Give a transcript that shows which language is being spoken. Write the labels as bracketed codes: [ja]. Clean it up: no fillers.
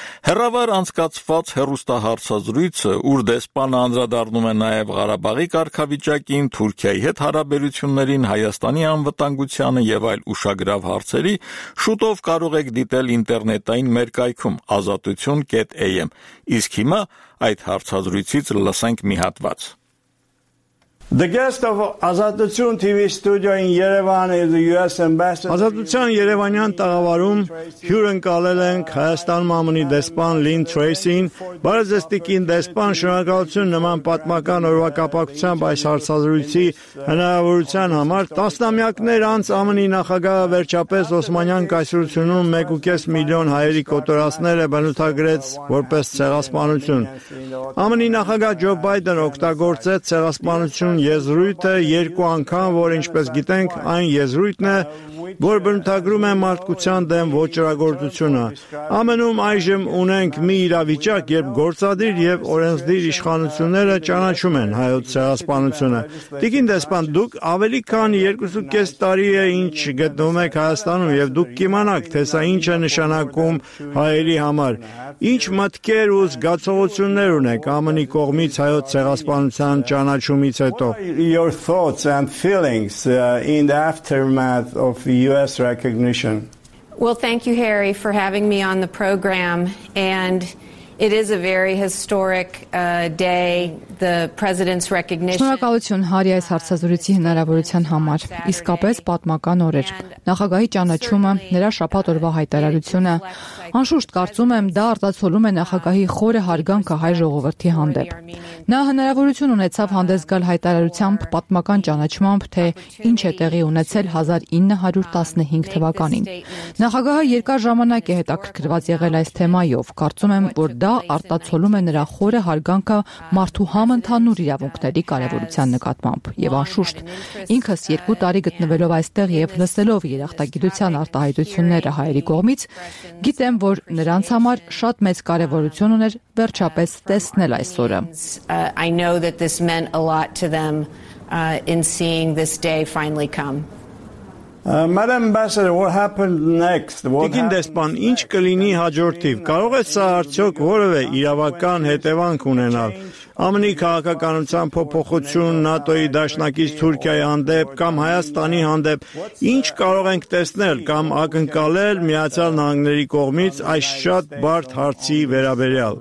[hy] Հեռավար անցկացված հեռուստահարցազրույցը, ուր դեսպանը անդրադառնում է նաև Ղարաբաղի կարգավիճակին, Թուրքիայի հետ հարաբերություններին, Հայաստանի անվտանգությանը եւ այլ ուշագրավ հարցերի, շուտով կարող եք դիտել ինտերնետային մեր կայքում azatutyun.am։ Իսկ հիմա այդ հարցազրույցից լսենք մի հատված։ [en] The guest of Azatutyun TV studio in Yerevan is the US ambassador. [hy] Ազատության Երևանյան տաղավարում հյուրընկալել ենք Հայաստան ՄԱՄՆ-ի դեսպան Լին Թրեյսին։ Բարձրաստիճան դեսպան, շնորհակալություն նման պատմական օրվակապակցությամբ այս հարցազրույցի հնարավորության համար։ Տասնամյակներ անց ԱՄՆ-ի նախագահը վերջապես Օսմանյան կայսրությունում 1.5 միլիոն հայերի կոտորածները բնութագրեց որպես ցեղասպանություն։ ԱՄՆ-ի նախագահ Ջո Բայդենը օգտագործեց ցեղասպանություն եզրույթը երկու անգամ, որ ինչպես գիտենք, այն եզրույթն է, որ բնութագրում է մարդկության դեմ ոչրագործությունը։ ԱՄՆ-ում այժմ ունենք մի իրավիճակ, երբ գործադիր եւ օրենսդիր իշխանությունները ճանաչում են հայոց ցեղասպանությունը։ Տիկին դեսպան, դուք ավելի քան 2.5 տարի է ինչ գտնվում եք Հայաստանում եւ դուք կիմանաք, թե սա ինչ է նշանակում հայերի համար։ Ինչ մտքեր ու զգացողություններ ունեք ԱՄՆ-ի կողմից հայոց ցեղասպանության ճանաչումից հետո։ [en] Your thoughts and feelings in the aftermath of US recognition. Well, thank you, Harry, for having me on the program. And it is a very historic day, the president's recognition. [hy] Շնորհակալություն Հարի այս հարցազրույցի հնարավորության համար։ Իսկապես պատմական օր էր։ Նախագահի ճանաչումը, նրա շաբաթ օրվա հայտարարությունը, անշուշտ կարծում եմ, դա արտացոլում է նախագահի խորը հարգանքը հայ ժողովրդի հանդեպ։ Նա հնարավորություն ունեցավ հանդես գալ հայտարարությամբ պատմական ճանաչմամբ, թե ինչ է տեղի ունեցել 1915 թվականին։ Նախագահը երկար ժամանակ է հետաքրքրված եղել այս թեմայով, կարծում եմ, որ դա արտացոլում է նրա խորը հարգանքը մարդու համընդհանուր իրավունքների կարևորության նկատմամբ։ Եվ անշուշտ, ինքս երկու տարի գտնվելով այստեղ եւ լսելով երախտագիտության արտահայտությունները հայերի կողմից, գիտեմ, որ նրանց համար շատ մեծ կարևորություն ուներ վերջապես տեսնել այս օրը։ [en] I know that this meant a lot to them in seeing this day finally come. Madam Ambassador, what happened next? [hy] Տիկին դեսպան, ինչ կլինի հաջորդիվ? Կարող է սա արդյոք որևէ իրավական հետևանք ունենալ? ԱՄՆ-ի քաղաքականության փոփոխություն, ՆԱՏՕ-ի դաշնակից Թուրքիայի հանդեպ կամ Հայաստանի հանդեպ, ինչ կարող ենք տեսնել կամ ակնկալել Միացյալ Նահանգների կողմից այս շատ բարդ հարցի վերաբերյալ?